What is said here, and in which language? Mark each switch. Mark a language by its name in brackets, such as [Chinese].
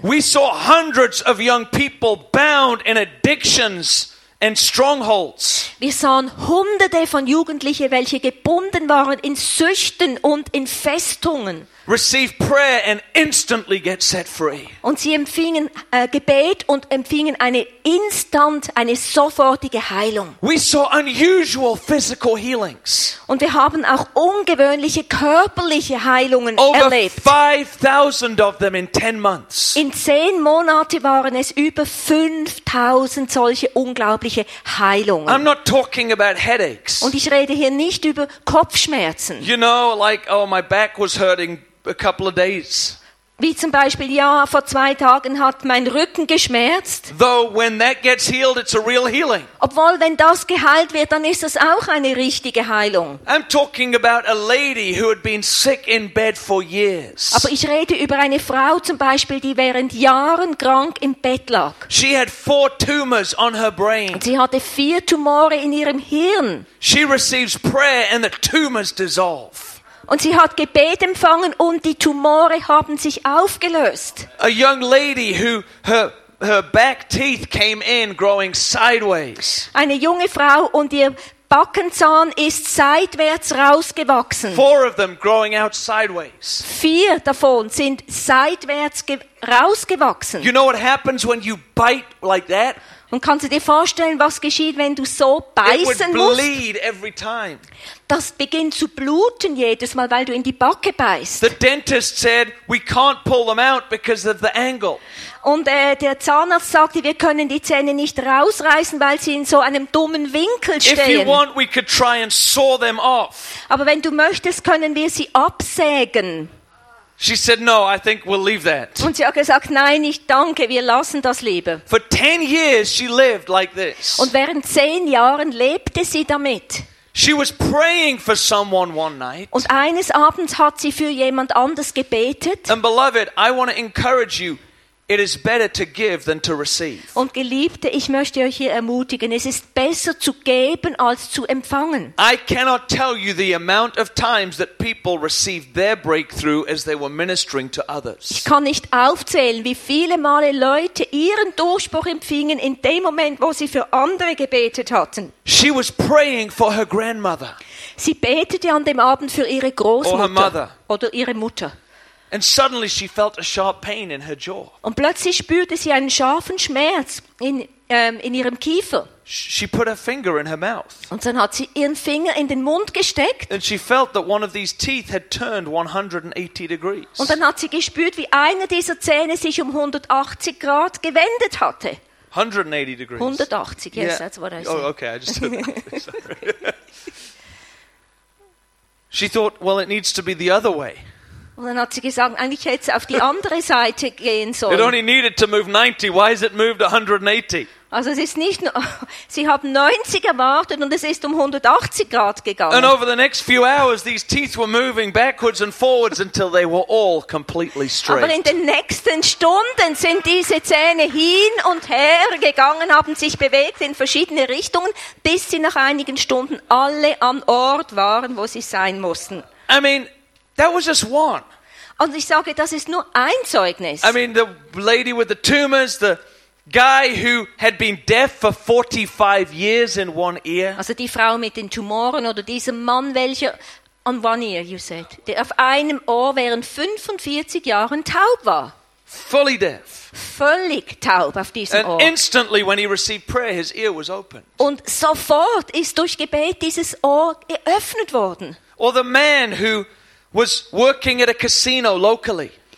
[English] We saw hundreds of young people bound in addictions. And strongholds. [German] Wir sahen Hunderte von Jugendlichen, welche gebunden waren in Süchten und in Festungen. [English] Receive prayer and instantly get set free. [German] Und sie empfingen Gebet und empfingen eine sofortige Heilung. [English] We saw unusual physical healings. [German] Und wir haben auch ungewöhnliche körperliche Heilungen erlebt. [English] Over 5,000 of them in 10 months. [German] In 10 Monaten waren es über 5,000 solche unglaubliche Heilungen. [English] I'm not talking about headaches. [German] Und ich rede hier nicht über Kopfschmerzen. [English] You know, like, oh, my back was hurting. A couple of days. [German] Wie zum Beispiel, ja, vor zwei Tagen hat mein Rücken geschmerzt. [English] Though when that gets healed, it's a real healing. [German] Obwohl, wenn das geheilt wird, dann ist das auch eine richtige Heilung. [English] I'm talking about a lady who had been sick in bed for years. [German] Aber ich rede über eine Frau zum Beispiel, die während Jahren krank im Bett lag. [English] She had 4 tumors on her brain. [German] Sie hatte 4 Tumore in ihrem Hirn. [English] She receives prayer and the tumors dissolve. [German] Und sie hat Gebet empfangen und die Tumore haben sich aufgelöst. [English] A young lady who her back teeth came in growing sideways. [German] Eine junge Frau und ihr Backenzahn ist seitwärts rausgewachsen. [English] 4 of them growing out sideways. [German] 4 davon sind seitwärts rausgewachsen. [English] You know what happens when you bite like that? [German] Und kannst du dir vorstellen, was geschieht, wenn du so beißen musst? Das beginnt zu bluten jedes Mal, weil du in die Backe beißt. [English] The dentist said, we can't pull them out because of the angle. [German] Und der Zahnarzt sagte, wir können die Zähne nicht rausreißen, weil sie in so einem dummen Winkel stehen. [English] If you want, we could try and saw them off. [German] Aber wenn du möchtest, können wir sie absägen. [English] She said, "No, I think we'll leave that." [German] Und sie hat gesagt, nein, ich danke, wir lassen das lieber. [English] For 10 years she lived like this. [German] Und während 10 Jahren lebte sie damit. [English] She was praying for someone one night. [German] Und eines Abends hat sie für jemand anders gebetet. [English] And beloved, I want to encourage you. It is better to give than to receive. [German] Und Geliebte, ich möchte euch hier ermutigen, es ist besser zu geben als zu empfangen. [English] I cannot tell you the amount of times that people received their breakthrough as they were ministering to others. [German] Ich kann nicht aufzählen, wie viele Male Leute ihren Durchbruch empfingen in dem Moment, wo sie für andere gebetet hatten. [English] She was praying for her grandmother. [German] Sie betete an dem Abend für ihre Großmutter [English] or her mother. [German] Oder ihre Mutter. [English] And suddenly she felt a sharp pain in her jaw. [German] Und plötzlich spürte sie einen scharfen Schmerz in ihrem Kiefer. [English] She put her finger in her mouth. [German] Und dann hat sie ihren Finger in den Mund gesteckt. [English] And she felt that one of these teeth had turned 180 degrees. [German] Und dann hat sie gespürt, wie einer dieser Zähne sich um 180 Grad gewendet hatte. [English] 180 degrees. 180, yes, yeah. That's what I said. Oh, okay, I just said that. She thought, well, it needs to be the other way. [German] Und dann hat sie gesagt, eigentlich hätte es auf die andere Seite gehen sollen. [English] It only needed to move 90. Why has it moved 180? [German] Also es ist nicht nur, sie haben 90 erwartet und es ist um 180 Grad gegangen. [English] And over the next few hours, these teeth were moving backwards and forwards until they were all completely straight. [German] Aber in den nächsten Stunden sind diese Zähne hin und her gegangen, haben sich bewegt in verschiedene Richtungen, bis sie nach einigen Stunden alle am Ort waren, wo sie sein mussten. [English] I mean, that was just one. [German] Und ich sage, das ist nur ein Zeugnis. [English] I mean, the lady with the tumors, the guy who had been deaf for 45 years in one ear. [German] Also die Frau mit den Tumoren oder dieser Mann, welcher [English] on one ear, you said, [German] der auf einem Ohr während 45 Jahren taub war. [English] Fully deaf. [German] Völlig taub auf diesem [English] and [German] Ohr. [English] And instantly, when he received prayer, his ear was opened. [German] Und sofort ist durch Gebet dieses Ohr geöffnet worden. [English] Or the man who was working at a casino locally.